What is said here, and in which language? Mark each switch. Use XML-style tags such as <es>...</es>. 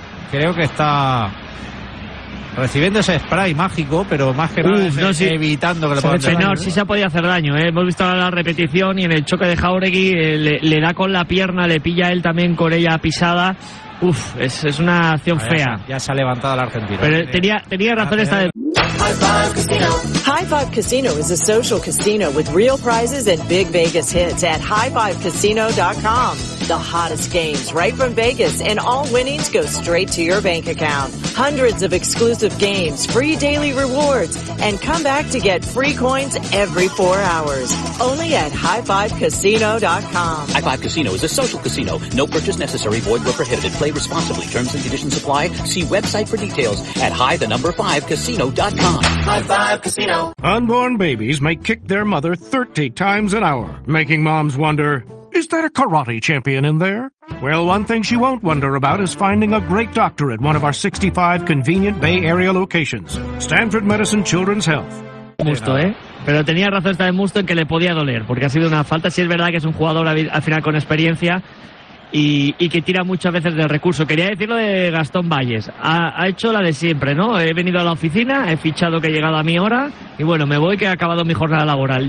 <es>Creo que está recibiendo ese spray mágico, pero más que nada evitando que lo puedan hacer. Señor, sí se ha podido hacer daño, ¿eh? Hemos visto la repetición y en el choque de Jauregui le da con la pierna, le pilla él también con ella pisada. Uf, es una acción fea. Ya se ha levantado el argentino. Pero tenía razón esta vez.</es> <en>High Five Casino is a social casino with real prizes and big Vegas hits at highfivecasino.com. The hottest games right from Vegas and all winnings go straight to your bank account. Hundreds of exclusive games, free daily rewards, and come back to get free coins every 4 hours. Only at highfivecasino.com. High Five Casino is a social casino. No purchase necessary. Void where prohibited. Play responsibly. Terms and conditions apply. See website for details at high5casino.com. High Five Casino. Unborn babies may kick their mother 30 times an hour, making moms wonder, is that a karate champion in there? Well, one thing she won't wonder about is finding a great doctor at one of our 65 convenient Bay Area locations. Stanford Medicine Children's Health.</en> <es>Musto, Pero tenía razón esta de Musto en que le podía doler, porque ha sido una falta. Si es verdad que es un jugador al final con experiencia y que tira muchas veces del recurso. Quería decirlo de Gastón Valles. Ha hecho la de siempre, ¿no? He venido a la oficina, he fichado que he llegado a mi hora y bueno, me voy que he acabado mi jornada laboral.</es>